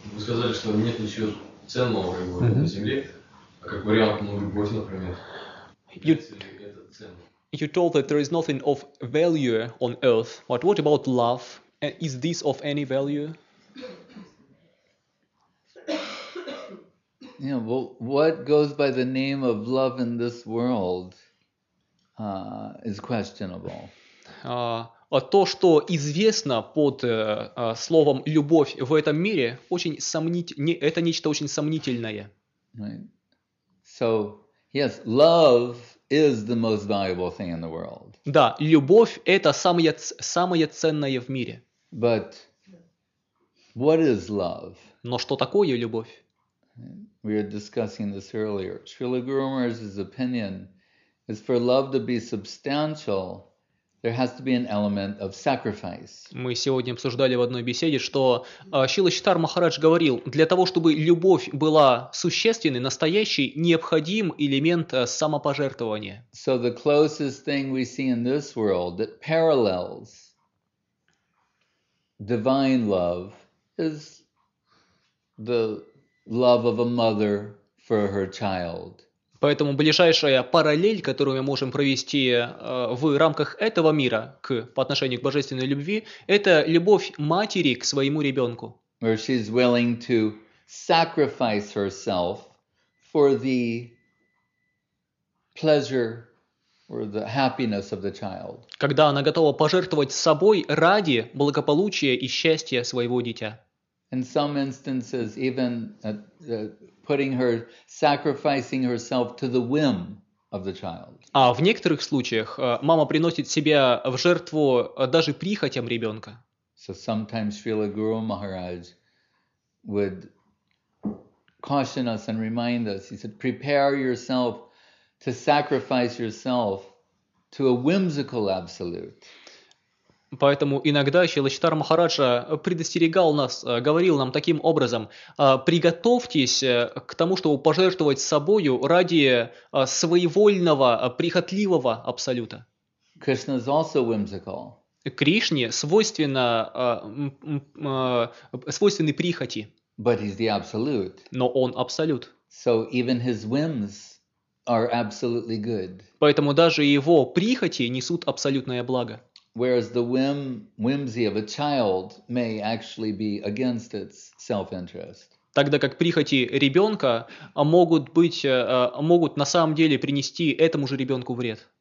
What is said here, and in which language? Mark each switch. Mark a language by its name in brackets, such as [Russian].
[Russian] сказали, что нет ничего ценного как бы, на Земле, а как вариант, может быть, например, это ценно. [English] You told that there is nothing of value on earth, but what about love? Is this of any value? Yeah, well, what goes by the name of love in this world is questionable. [Russian] То, что известно под словом «любовь» в этом мире, очень это нечто очень сомнительное. [English] Right. So, yes, love is the most valuable thing in the world. [Russian] Да, любовь – это самое ценное в мире. [English] But what is love? [Russian] Но что такое любовь? [English] We were discussing this earlier. Srila Guru Maharaj's opinion is for love to be substantial, there has to be an element of sacrifice. [Russian] Мы сегодня обсуждали в одной беседе, что Шрила Читар Махарадж говорил, для того, чтобы любовь была существенной, настоящей, необходим элемент самопожертвования. [English] So the closest thing we see in this world that parallels divine love is the love of a mother for her child. [Russian] Поэтому ближайшая параллель, которую мы можем провести в рамках этого мира по отношению к божественной любви, это любовь матери к своему ребенку. [English] Where she's willing to sacrifice herself for the pleasure or the happiness of the child. [Russian] Когда она готова пожертвовать собой ради благополучия и счастья своего дитя. [English] In some instances, even putting her, sacrificing herself to the whim of the child. [Russian] А в некоторых случаях мама приносит себя в жертву даже прихотям ребенка. [English] So sometimes Srila Guru Maharaj would caution us and remind us. He said, prepare yourself to sacrifice yourself to a whimsical absolute. [Russian] Поэтому иногда Шрила Читар Махараджа предостерегал нас, говорил нам таким образом, приготовьтесь к тому, чтобы пожертвовать собою ради своевольного, прихотливого абсолюта. [English] Krishna is also whimsical. [Russian] Кришне свойственны прихоти. [English] But he's the absolute. [Russian] Но он абсолют. [English] So even his whims are absolutely good. [Russian] Поэтому даже его прихоти несут абсолютное благо. [English] Whereas the whimsy of a child may actually be against its self-interest. [Russian] Тогда как прихоти ребенка могут на самом деле принести этому же ребенку вред.